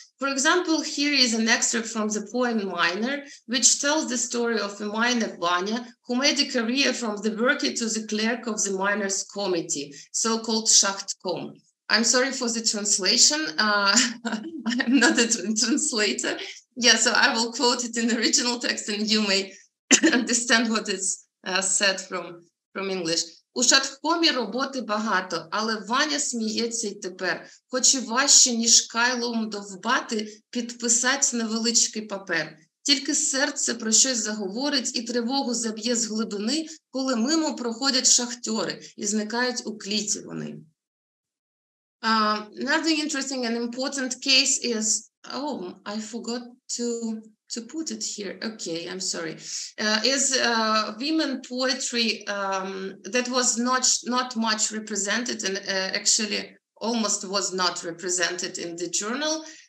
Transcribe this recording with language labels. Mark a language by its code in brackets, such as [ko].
[en] For example, here is an excerpt from the poem Miner, which tells the story of a miner, Vanya, who made a career from the worker to the clerk of the miners' committee, so-called Shachtkom. I'm sorry for the translation. I'm not a translator. Yeah, so I will quote it in the original text and you may understand what it's said from English. [uk] У шаткомі роботи багато, але Ваня сміється й тепер. Хоч і важче, ніж кайлом довбати, підписати невеличкий папер. Тільки серце про щось заговорить і тривогу заб'є з глибини, коли мимо проходять шахтери і зникають у кліті вони. [en] Another interesting and important case is... Oh, I forgot to put it here, okay, I'm sorry, is women poetry that was not much represented and actually almost was not represented in the journal.